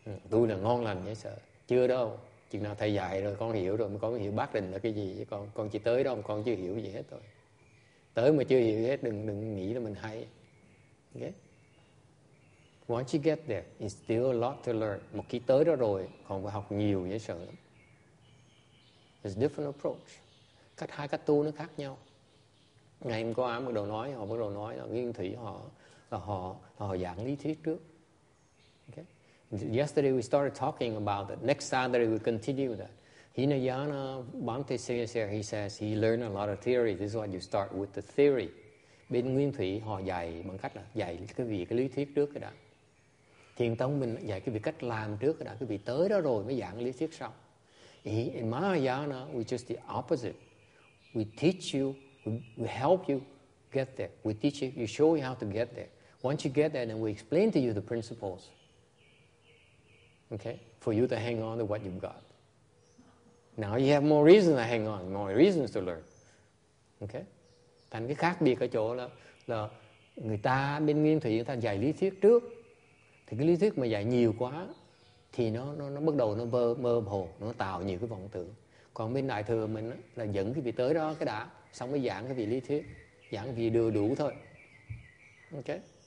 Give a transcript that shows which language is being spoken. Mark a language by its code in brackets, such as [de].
[vi] Tôi là ngon lành vậy sợ. Chưa đâu. Chừng nào thầy dạy rồi con hiểu rồi, con hiểu bác định là cái gì chứ con chỉ tới đó mà con chưa hiểu gì hết thôi. Tới mà chưa hiểu hết đừng nghĩ là mình hay. Okay. [en] Once you get there, it's still a lot to learn. [vi] Một khi tới đó rồi, còn phải học nhiều dễ sợ lắm. [en] It's a different approach. [vi] Cách hai cách tu nó khác nhau. Ngày hôm qua họ bắt đầu nói là nguyên thủy họ giảng lý thuyết trước. Okay. [en] Yesterday we started talking about that. Next Saturday we continue that. Hinayana Bhante Sayasaya, he says he learned a lot of theory. This is why you start with the theory. [vi] Bên Nguyên Thủy họ dạy bằng cách là dạy cái việc cái lý thuyết trước cái đã. Thiền Tông mình dạy cái việc cách làm trước cái đã. Cái việc tới đó rồi mới giảng lý thuyết sau. [en] In Mahayana, we just the opposite. We teach you, we help you get there. We teach you, we show you how to get there. Once you get there, then we explain to you the principles. Okay, for you to hang on to what you've got. Now you have more reasons to hang on, more reasons to learn. Okay, [vi] thành cái khác biệt ở chỗ là người ta bên Nguyên Thủy người ta dạy lý thuyết trước, thì cái lý thuyết mà dạy nhiều quá thì nó bắt đầu nó mơ hồ, nó tạo nhiều cái vọng tưởng. Còn bên Đại Thừa mình là dẫn cái vị tới đó cái đã, xong mới giảng cái vị lý thuyết, giảng vị đưa đủ thôi. Okay,